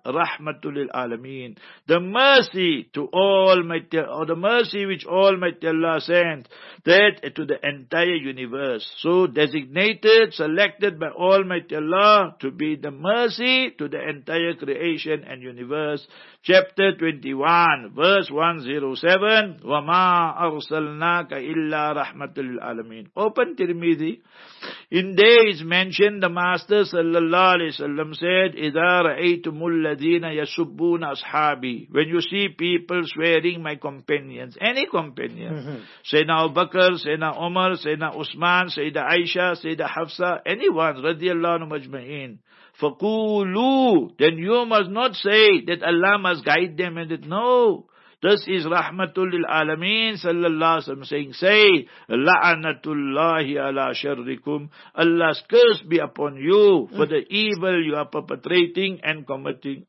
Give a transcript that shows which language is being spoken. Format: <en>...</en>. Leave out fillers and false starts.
<en>Rahmatul alameen. The mercy to Almighty, or the mercy which Almighty Allah sent, that to the entire universe. So designated, selected by Almighty Allah to be the mercy to the entire creation and universe. Chapter 21, verse 107,</en> <ar>وَمَا أَرْسَلْنَاكَ إِلَّا رَحْمَةُ لِلْعَالَمِينَ.</ar> <en>Open Tirmidhi. In days mentioned, the Master sallallahu alayhi wa sallam said,</en> <ar>إِذَا رَأَيْتُمُ الَّذِينَ يَسُبُّونَ أَصْحَابِي.</ar> <en>When you see people swearing my companions, any companion, Sayyidina Abu Bakr, Sayyidina Umar, Sayyidina Usman, Sayyidina Aisha, Sayyidina Hafsa, anyone, radiyallahu anhu majma'in, فَقُولُ, then you must not say that Allah must guide them and that, no, this is rahmatul lil alamin sallallahu alaihi wasallam saying, say,</en> <ar>la'anatullahi ala sharrikum,</ar> <en>Allah's curse be upon you for the evil you are perpetrating and committing.</en>